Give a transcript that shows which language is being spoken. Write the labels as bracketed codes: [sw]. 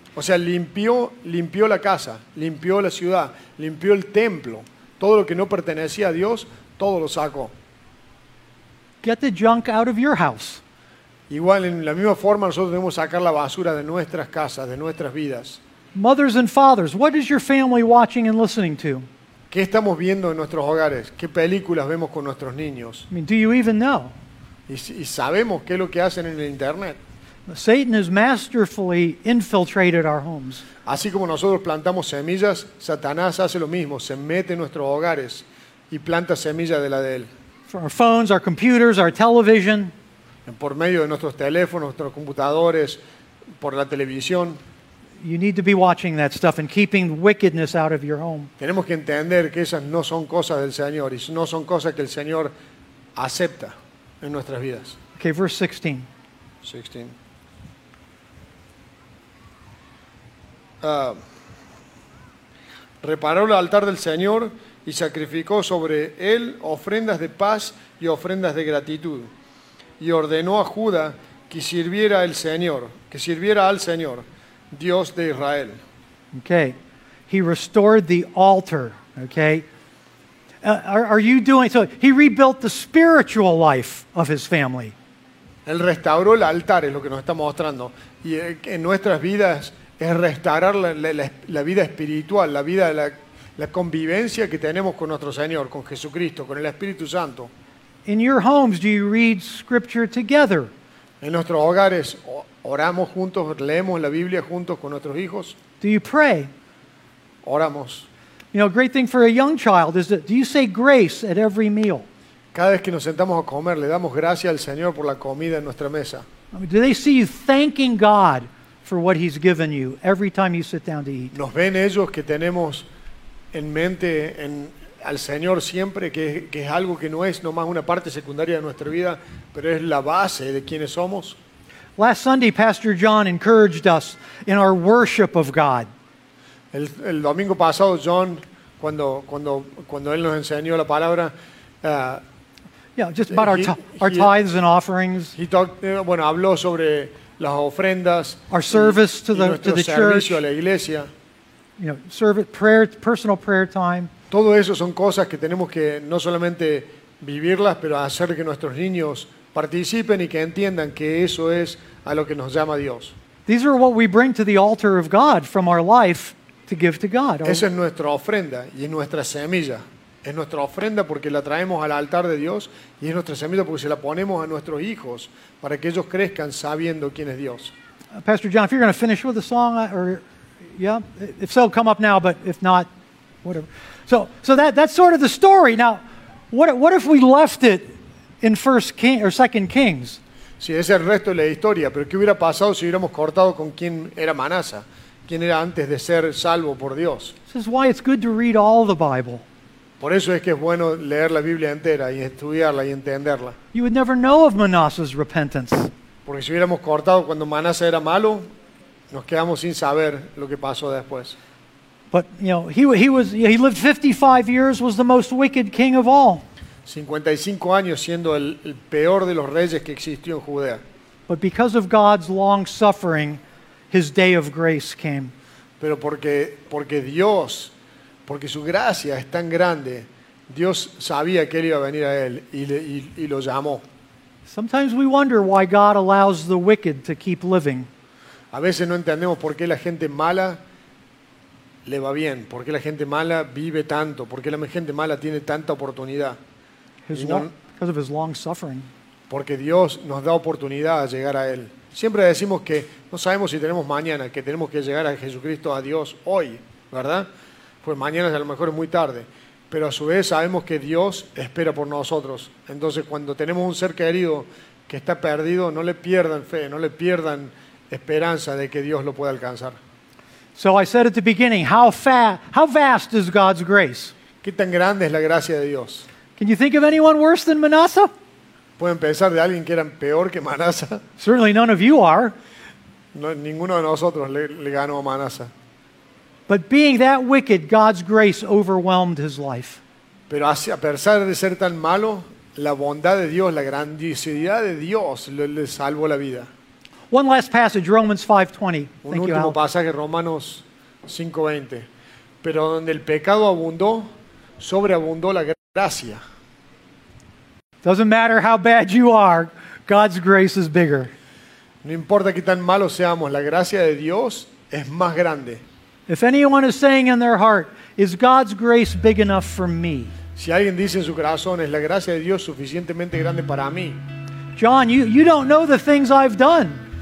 [es] O sea, limpió la casa, limpió la ciudad, limpió el templo. Todo lo que no pertenecía a Dios, todo lo sacó. [en] Get the junk out of your house. [es] Igual, en la misma forma, nosotros debemos sacar la basura de nuestras casas, de nuestras vidas. [en] Mothers and fathers, what is your family watching and listening to? [es] ¿Qué estamos viendo en nuestros hogares? ¿Qué películas vemos con nuestros niños? [en] I mean, do you even know? [es] Y sabemos qué es lo que hacen en el internet. [en] Satan has masterfully infiltrated our homes. [es] Así como nosotros plantamos semillas, Satanás hace lo mismo, se mete en nuestros hogares y planta semillas de la de él. [en] For our phones, our computers, our television. [es] por medio de nuestros teléfonos, nuestros computadores, por la televisión. [en] You need to be watching that stuff and keeping wickedness out of your home. [es] Tenemos que entender que esas no son cosas del Señor y no son cosas que el Señor acepta en nuestras vidas. [en] Okay, verse 16. [es] Reparó el altar del Señor y sacrificó sobre él ofrendas de paz y ofrendas de gratitud. Y ordenó a Judá que sirviera al Señor, Dios de Israel. [en] Okay. He restored the altar. Okay. Are you doing so? He rebuilt the spiritual life of his family. [es] Él restauró el altar, es lo que nos está mostrando. Y en nuestras vidas es restaurar la vida espiritual, la vida de la convivencia que tenemos con nuestro Señor, con Jesucristo, con el Espíritu Santo. [en] In your homes, do you read scripture together? [es] En nuestros hogares, oramos juntos, leemos la Biblia juntos con nuestros hijos. [en] Do you pray? [es] Oramos. [en] You know, a great thing for a young child is that, do you say grace at every meal? [es] Cada vez que nos sentamos a comer, le damos gracias al Señor por la comida en nuestra mesa. [en] I mean, do they see you thanking God for what he's given you every time you sit down to eat? [es] ¿Nos ven ellos que tenemos en mente en al Señor siempre, que es algo que no es nomás una parte secundaria de nuestra vida, pero es la base de quienes somos? [en] Last Sunday, Pastor John encouraged us in our worship of God. [es] El domingo pasado, John, cuando él nos enseñó la palabra, [en] our tithes and offerings. [es] Habló sobre las ofrendas, [en] our service to the church, [es] a la iglesia. [en] You know, service, prayer, personal prayer time. [es] Todo eso son cosas que tenemos que no solamente vivirlas, pero hacer que nuestros niños participen y que entiendan que eso es a lo que nos llama Dios. [en] These are what we bring to the altar of God from our life to give to God. [es] Esa es nuestra ofrenda y es nuestra semilla. Es nuestra ofrenda porque la traemos al altar de Dios y es nuestra semilla porque se la ponemos a nuestros hijos para que ellos crezcan sabiendo quién es Dios. [en] Pastor John, if you're going to finish with a song, if so, come up now, but if not, whatever. So that's sort of the story. Now, what if we left it in 1 King or 2 Kings? [es] Sí, ese es el resto de la historia, pero ¿qué hubiera pasado si hubiéramos cortado con quién era Manasa? ¿Quién era antes de ser salvo por Dios? [en] This is why it's good to read all the Bible. [es] Por eso es que es bueno leer la Biblia entera y estudiarla y entenderla. [en] You would never know of Manasseh's repentance. [es] Porque si hubiéramos cortado cuando Manasa era malo, nos quedamos sin saber lo que pasó después. [en] But you know, he lived 55 years, was the most wicked king of all. [es] 55 años siendo el peor de los reyes que existió en Judea. [en] But because of God's long suffering, his day of grace came. [es] Pero porque Dios, porque su gracia es tan grande, Dios sabía que él iba a venir a él y lo llamó. [en] Sometimes we wonder why God allows the wicked to keep living. [es] A veces no entendemos por qué la gente mala le va bien, porque la gente mala vive tanto, porque la gente mala tiene tanta oportunidad. [en] Because of his long suffering. [es] Porque Dios nos da oportunidad a llegar a él. Siempre decimos que no sabemos si tenemos mañana, que tenemos que llegar a Jesucristo, a Dios hoy, ¿verdad? Pues mañana a lo mejor es muy tarde, pero a su vez sabemos que Dios espera por nosotros. Entonces, cuando tenemos un ser querido que está perdido, no le pierdan fe, no le pierdan esperanza de que Dios lo pueda alcanzar. [en] So I said at the beginning, how vast is God's grace? [es] ¿Qué tan grande es la gracia de Dios? [en] Can you think of anyone worse than Manasseh? [es] ¿Pueden pensar de alguien que era peor que Manasseh? [en] Certainly none of you are. [es] No, ninguno de nosotros le ganó a Manasseh. [en] But being that wicked, God's grace overwhelmed his life. [es] Pero a pesar de ser tan malo, la bondad de Dios, la grandiosidad de Dios le salvó la vida. [en] One last passage, Romans 5:20. [es] Un último pasaje, Romanos 5:20. Pero donde el pecado abundó, sobreabundó la gracia. [en] Doesn't matter how bad you are, God's grace is bigger. [es] No importa qué tan malos seamos, la gracia de Dios es más grande. [en] If anyone is saying in their heart, is God's grace big enough for me? [es] Si alguien dice en su corazón, ¿es la gracia de Dios suficientemente grande para mí? [en] John, you don't know the things I've done.